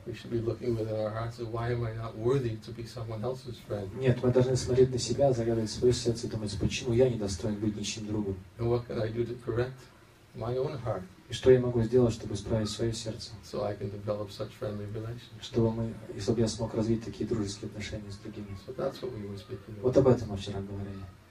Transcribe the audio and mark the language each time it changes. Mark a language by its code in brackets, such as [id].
[en] We should be looking within our hearts and why am I not worthy to be someone else's friend? [ru] Нет, мы должны смотреть на себя, заглядывать в свое сердце и думать, почему я недостоин быть ничьим другом? [en] And what can I do to correct my own heart? [ru] И что я могу сделать, чтобы исправить свое сердце? [en] So I can develop such friendly relationships. [ru] Чтобы я смог развить такие дружеские отношения с другими. [en] So that's what we were speaking about. [ru] Вот об этом мы вчера говорили.